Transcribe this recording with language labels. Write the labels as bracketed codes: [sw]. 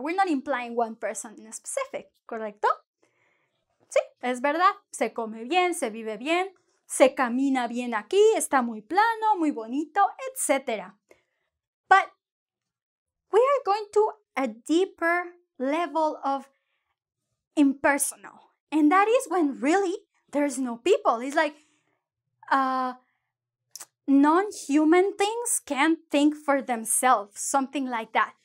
[en] We're not implying one person in a specific, correcto? [es] Sí, es verdad. Se come bien, se vive bien, se camina bien aquí, está muy plano, muy bonito, etc. [en] But we are going to a deeper level of impersonal. And that is when really there's no people. It's like non-human things can't think for themselves, something like that.